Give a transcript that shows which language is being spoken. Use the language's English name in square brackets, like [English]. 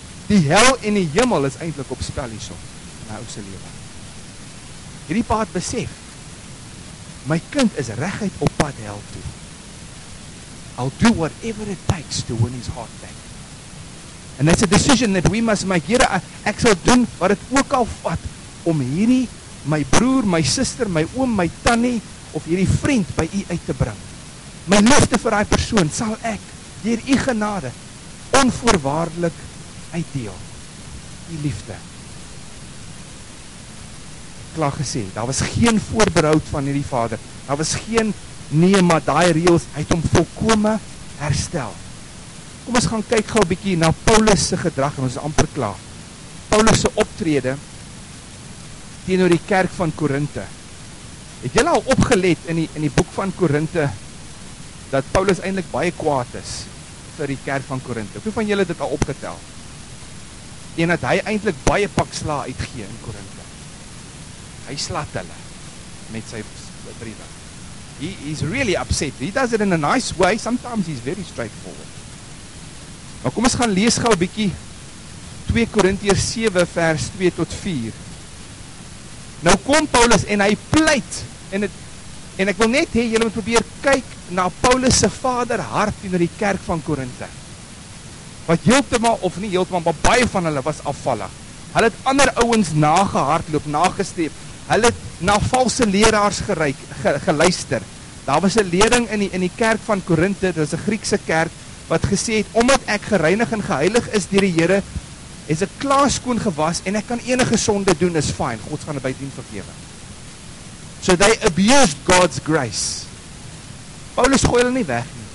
[Afrikaans] Die hel en die hemel is eintlik op spel hierso, in my ou se lewe. Hierdie pa het besef, my kind is reguit op pad hel toe. [English] I'll do whatever it takes to win his heart back. And that's a decision that we must make. [Afrikaans] Here, ek sal doen wat het ook al vat om hierdie, my broer, my sister, my oom, my tannie, of hierdie vriend by u uit te bring. My liefde vir die persoon sal ek, dier u genade, onvoorwaardelik uitdeel. Die liefde. Klaar gesê, daar was geen voorbehoud van hierdie vader. Daar was geen nee, maar die reels, hy het hom volkome herstel. Kom ons gaan kyk gauw bykie na Paulus' gedrag en ons is amper klaar. Paulus' optrede teenoor die kerk van Korinthe. Het jy al opgelet in die boek van Korinthe dat Paulus eindelijk baie kwaad is vir die kerk van Korinthe? Hoeveel van julle dit al opgetel? En dat hy eindelijk baie pak sla uitgee in Korinthe. Hy slaat hulle met sy brieven. [English] He is really upset. He does it in a nice way. Sometimes he's very straightforward. [Afrikaans] Maar kom ons gaan lees gauw bykie 2 Korintiërs 7 vers 2 tot 4. Nou kom Paulus en hy pleit en, het, en ek wil net hê, julle moet probeer kyk na Paulus se vader hart in die kerk van Korinthe. Wat heeltemal of nie heeltemal, maar baie van hulle was afvallig. Hulle het ander ouens nagehardloop, nagestreep. Hulle het na valse leraars geluister. Daar was 'n leering in die kerk van Korinthe, dit was 'n Griekse kerk, wat gesê het, omdat ek gereinig en geheilig is deur die Here, is ek klaarskoon gewas en ek kan enige sonde doen, is fyn, God gaan by dien vergewe. [English] So they abused God's grace. [Afrikaans] Paulus gooi hulle nie weg nie.